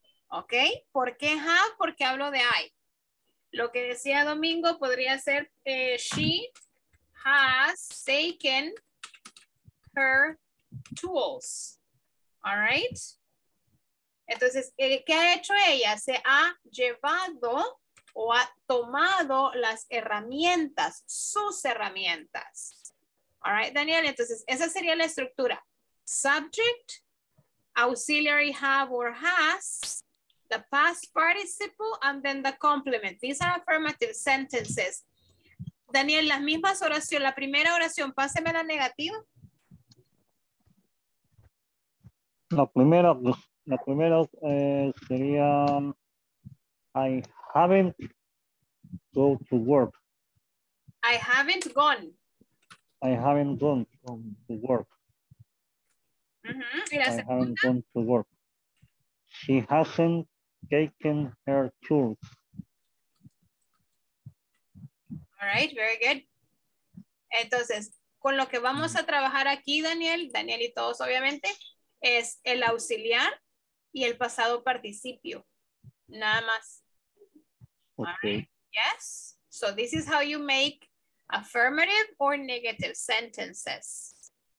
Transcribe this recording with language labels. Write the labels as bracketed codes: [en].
[es] Okay, ¿por qué have? Porque hablo de I. Lo que decía Domingo podría ser [en] she has taken her tools. All right. [es] Entonces, ¿qué ha hecho ella? Se ha llevado o ha tomado las herramientas, sus herramientas. [en] All right, [es] Daniel. Entonces, esa sería la estructura. [en] Subject, auxiliary have or has, the past participle, and then the complement. These are affirmative sentences. Daniel, [es] las mismas oraciones. La primera oración, páseme la negativa. La primera sería, [en] I haven't gone to work. I haven't gone to work. I haven't gone to work. She hasn't taken her tools. All right, very good. [es] Entonces, con lo que vamos a trabajar aquí, Daniel y todos, obviamente, es el auxiliar y el pasado participio. Nada más. [en] Okay. All right. Yes. So this is how you make affirmative or negative sentences.